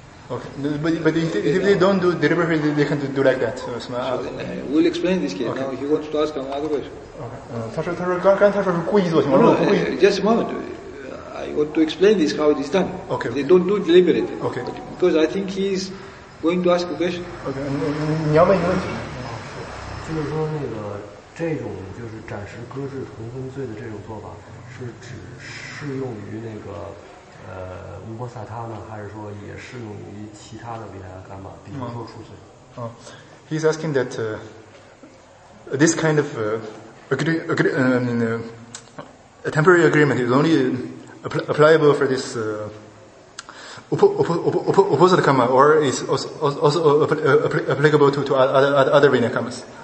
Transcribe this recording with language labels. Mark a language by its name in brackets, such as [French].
[English] Okay, but if they don't do deliberately, they can do like that. We'll explain this case. Okay. Now, if you want to ask him another question. Okay. Just a moment. I want to explain this, how it is done. Okay. They don't do it deliberately. Okay. Because I think he's going to ask a question. Okay. You have a question. [Chinese] 就是说那个这种就是暂时搁置同分罪的这种做法，是只适用于那个乌波萨他呢，还是说也适用于其他的维达伽玛，比如说出罪？ [English] He's asking that this kind of a temporary agreement is only applicable for this opposite gamma, or is also applicable to other Vinaya gammas.